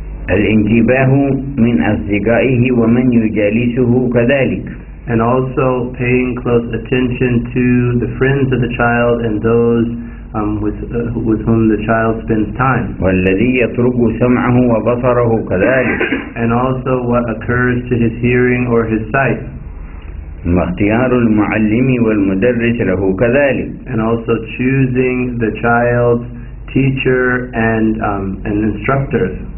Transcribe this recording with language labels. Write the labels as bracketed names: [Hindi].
[Arabic] الانتباه من أصدقائه ومن يجالسه كذلك. [English] And also paying close attention to the friends of the child and those with whom the child spends time. [Arabic] والذي يطرق سمعه وبصره كذلك. [English] And also what occurs to his hearing or his sight. [Arabic] واختيار المعلم والمدرس له كذلك. [English] And also choosing the child's teacher and instructor.